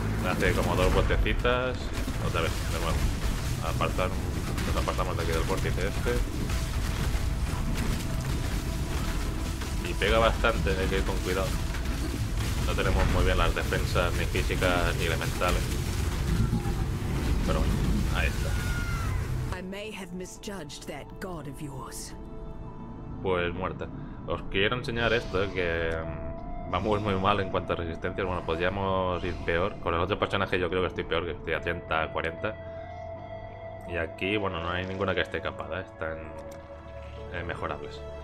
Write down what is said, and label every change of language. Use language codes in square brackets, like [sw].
[es] Hace como dos vueltecitas. Otra vez, de nuevo. Apartar. Nos apartamos de aquí del vórtice este. Pega bastante, hay que ir con cuidado. No tenemos muy bien las defensas, ni físicas ni elementales. Pero bueno, ahí está. [en] I may have misjudged that god of yours. [es] Pues muerta. Os quiero enseñar esto, que vamos muy mal en cuanto a resistencias. Bueno, podríamos ir peor. Con el otro personaje yo creo que estoy peor, que estoy a 30-40. Y aquí, bueno, no hay ninguna que esté capada. Están mejorables.